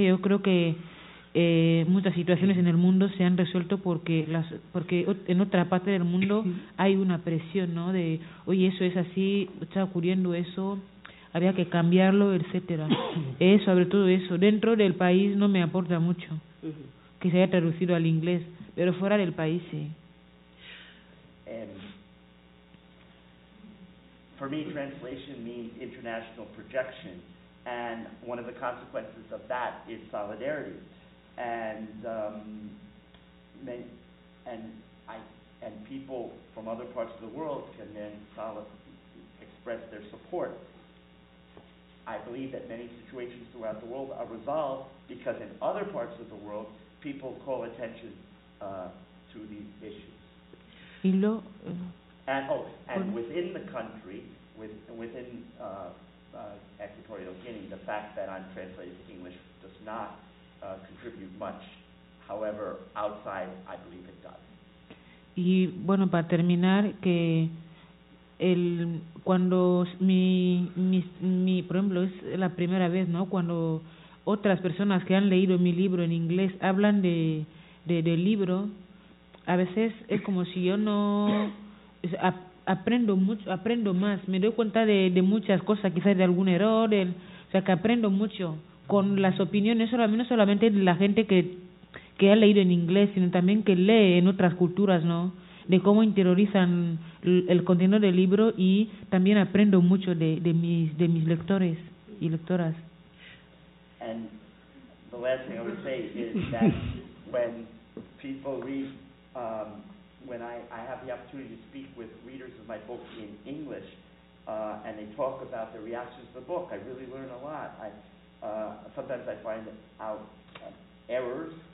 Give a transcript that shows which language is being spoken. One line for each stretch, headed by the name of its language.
Spanish: Yo creo que muchas situaciones en el mundo se han resuelto porque en otra parte del mundo hay una presión, ¿no?, de oye, eso es así, está ocurriendo eso, había que cambiarlo, etcétera. Eso, sobre todo eso, dentro del país no me aporta mucho que se haya traducido al inglés, pero fuera del país, sí.
English: For me, translation means international projection, and one of the consequences of that is solidarity. And people from other parts of the world can then express their support. I believe that many situations throughout the world are resolved because in other parts of the world, people call attention to these issues. And within the country, within Equatorial Guinea, the fact that I'm translated to English does not contribute much. However, outside, I believe it does.
Spanish: Y bueno, para terminar, que el cuando mi por ejemplo es la primera vez, ¿no?, cuando otras personas que han leído mi libro en inglés hablan del libro, a veces es como si yo no aprendo más, me doy cuenta de muchas cosas, quizás de algún error, o sea que aprendo mucho con las opiniones, no solamente de la gente que ha leído en inglés, sino también que lee en otras culturas, ¿no?, de cómo interiorizan el contenido del libro, y también aprendo mucho de mis lectores y lectoras.
English: And the last thing I would say is that when people read, when I have the opportunity to speak with readers of my book in English, and they talk about their reactions to the book. I really learn a lot. I sometimes I find out errors.